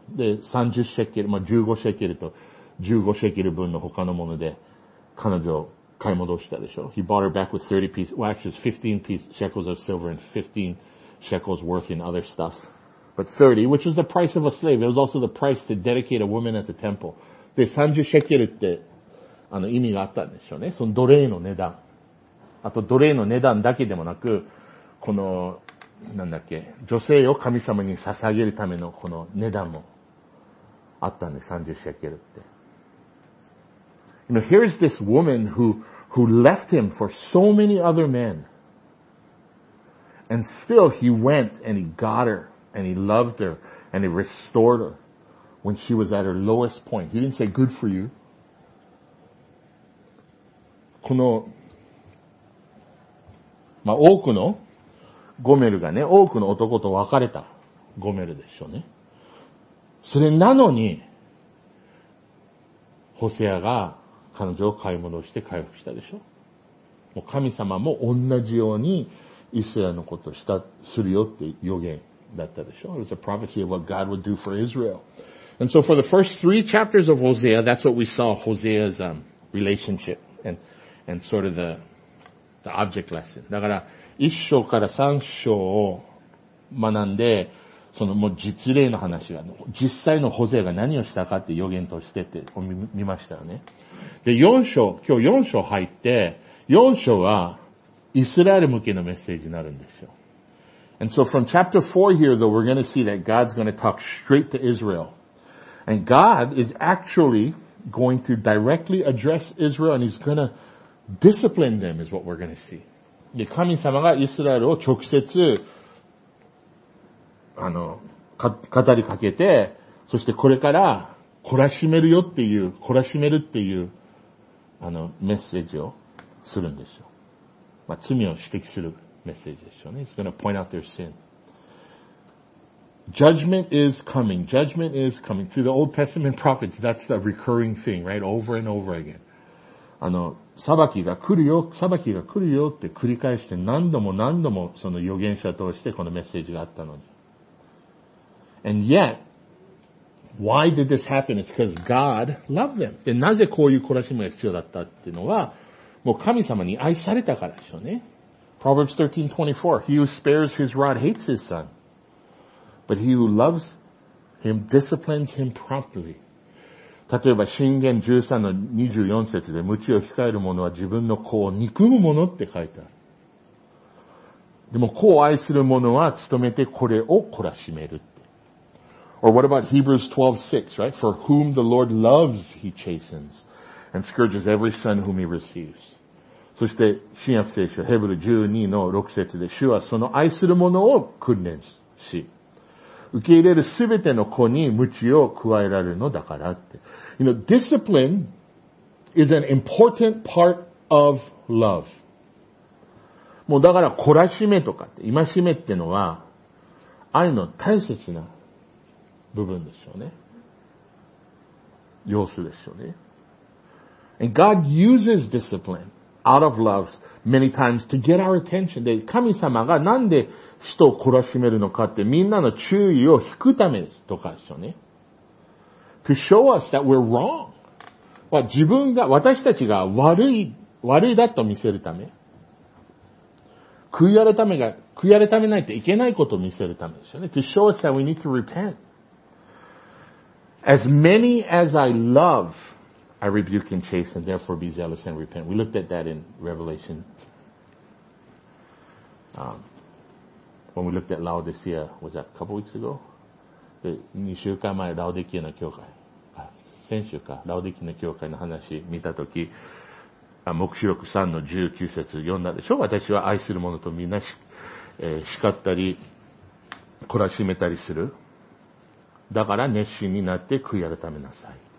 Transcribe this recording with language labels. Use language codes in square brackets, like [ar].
[ja] で、30シェケル、まあ15シェケルと15シェケル分の他のもので彼女を買い戻したでしょ。 [en] He bought her back with 30 pieces, well actually it's 15 piece, shekels of silver and 15 shekels worth in other stuff. But 30, which was the price of a slave. It was also the price to dedicate a woman at the temple. [ja] で、30シェケルって、意味があったんでしょうね。その奴隷の値段。あと、奴隷の値段だけでもなく、この、なんだっけ、女性を神様に捧げるためのこの値段もあったんで、30シェケルって。 [en] You know, here's this woman who left him for so many other men. And still he went and he got her. And he loved her, and he restored her when she was at her lowest point. He didn't say, good for you. [ja] この、まあ、多くのゴメルがね、多くの男と別れたゴメルでしょうね。それなのに、ホセアが彼女を買い戻して回復したでしょ。もう神様も同じようにイスラエルのことした、するよって予言。 [en] That the show. It was a prophecy of what God would do for Israel. And so for the first three chapters of Hosea, that's what we saw, Hosea's, relationship and sort of the object lesson. [ja] だから、一章から三章を学んで、そのもう実例の話が、実際のホゼアが何をしたかって予言としてって見ましたよね。で、四章、今日四章入って、四章はイスラエル向けのメッセージになるんですよ。 [en] And so from chapter 4 here though, we're going to see that God's going to talk straight to Israel. And God is actually going to directly address Israel and he's going to discipline them is what we're going to see. [ja] で、神様がイスラエルを直接、語りかけて、そしてこれから懲らしめるよっていう、懲らしめるっていう、メッセージをするんですよ。まあ、罪を指摘する。 [en] Message is showing. He's going to point out their sin. Judgment is coming. Judgment is coming. Through the Old Testament prophets, that's the recurring thing, right? Over and over again. [ja] 裁きが来るよ、裁きが来るよって繰り返して何度も何度もその預言者通してこのメッセージがあったのに。 [en] And yet, why did this happen? It's because God loved them. [ja] で、なぜこういう懲らしみが必要だったっていうのは、もう神様に愛されたからでしょうね。 [en] Proverbs 13:24, he who spares his rod hates his son, but he who loves him disciplines him promptly. [ja] 例えば、箴言13の24節で、鞭を控える者は自分の子を憎む者って書いてある。でも、子を愛する者は努めてこれを懲らしめるって。 [en] Or what about Hebrews 12:6, right? For whom the Lord loves, he chastens, and scourges every son whom he receives. [ja] そして新約聖書ヘブル12の6節で主はその愛する者を訓練し受け入れるすべての子に鞭を加えられるのだからって。 [en] You know, discipline is an important part of love. [ja] もうだから懲らしめとかって戒めってのは愛の大切な部分でしょうね。様子でしょうね。 [en] And God uses discipline. Out of love, many times, to get our attention. [ja] で、神様がなんで人を懲らしめるのかって、みんなの注意を引くためですとかですよね。 [en] To show us that we're wrong. [ja] まあ、自分が、私たちが悪いだと見せるため。悔い改めないといけないことを見せるためですよね。 [en] To show us that we need to repent. As many as I love,I rebuke and chasten, and therefore be zealous and repent. We looked at that in Revelation. When we looked at Laodicea, was that a couple weeks ago? [ja] 2週間前、ラオデキアの教会。あ、先週か。ラオデキアの教会の話見たとき、黙示録3の19節読んだでしょ。私は愛する者とみんな、叱ったり、懲らしめたりする。だから熱心になって悔い改めなさい。